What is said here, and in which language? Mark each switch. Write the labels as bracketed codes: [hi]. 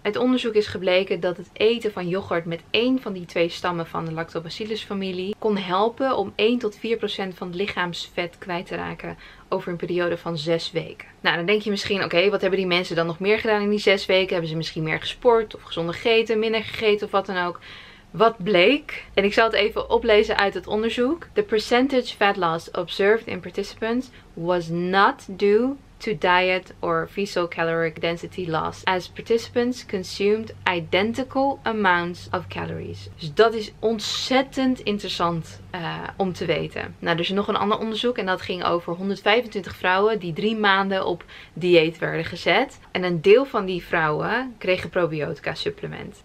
[nl] Uit onderzoek is gebleken dat het eten van yoghurt met één van die twee stammen van de Lactobacillus familie kon helpen om 1 tot 4% van het lichaamsvet kwijt te raken over een periode van 6 weken. Nou, dan denk je misschien, oké, wat hebben die mensen dan nog meer gedaan in die 6 weken? Hebben ze misschien meer gesport of gezonder gegeten, minder gegeten of wat dan ook? Wat bleek? En ik zal het even oplezen uit het onderzoek. [en] The percentage fat loss observed in participants was not due to diet or visceral caloric density loss as participants consumed identical amounts of calories. [nl] Dus dat is ontzettend interessant om te weten. Nou, er is nog een ander onderzoek en dat ging over 125 vrouwen die 3 maanden op dieet werden gezet. En een deel van die vrouwen kregen probiotica supplement.